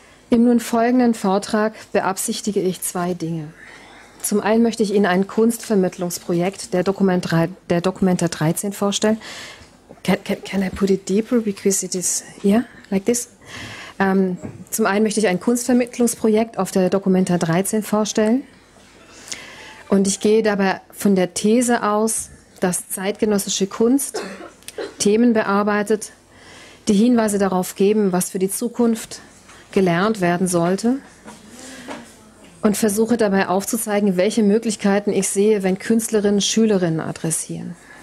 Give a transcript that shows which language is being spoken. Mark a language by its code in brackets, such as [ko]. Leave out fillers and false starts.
[de] Im nun folgenden Vortrag beabsichtige ich zwei Dinge. Zum einen möchte ich Ihnen ein Kunstvermittlungsprojekt der Documenta 13 vorstellen. [en] Can I put it deeper, because it is here, like this? [de] Zum einen möchte ich ein Kunstvermittlungsprojekt auf der Documenta 13 vorstellen. Und ich gehe dabei von der These aus, dass zeitgenössische Kunst Themen bearbeitet, die Hinweise darauf geben, was für die Zukunft gelernt werden sollte, und versuche dabei aufzuzeigen, welche Möglichkeiten ich sehe, wenn Künstlerinnen Schülerinnen adressieren.